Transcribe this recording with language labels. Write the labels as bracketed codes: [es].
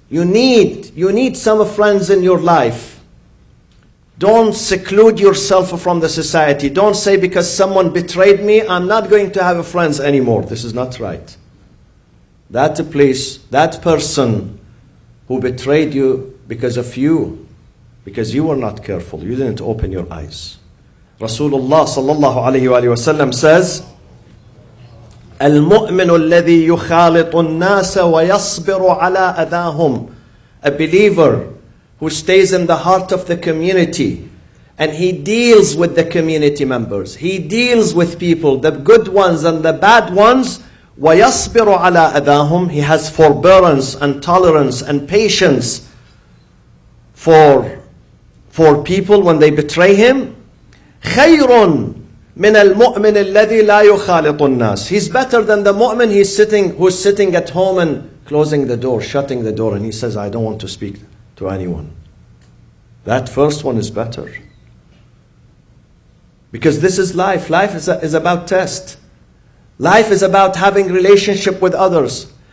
[en] You need some friends in your life. Don't seclude yourself from the society. Don't say, because someone betrayed me, I'm not going to have friends anymore. This is not right. That place, that person who betrayed you because of you, because you were not careful, you didn't open your eyes. [ar] Rasulullah sallallahu alayhi wa sallam says, المؤمن الذي يخالط الناس ويصبر على أذاهم. [en] A believer who stays in the heart of the community and he deals with the community members. He deals with people, the good ones and the bad ones. [ar] ويصبر على أذاهم. [en] He has forbearance and tolerance and patience for people when they betray him. [ar] خير من المؤمن الذي لا يخالط الناس. [en] He's better than the mu'min who's sitting at home and closing the door, shutting the door, and he says, I don't want to speak to anyone. That first one is better. Because this is life. Life is about test. Life is about having relationship with others.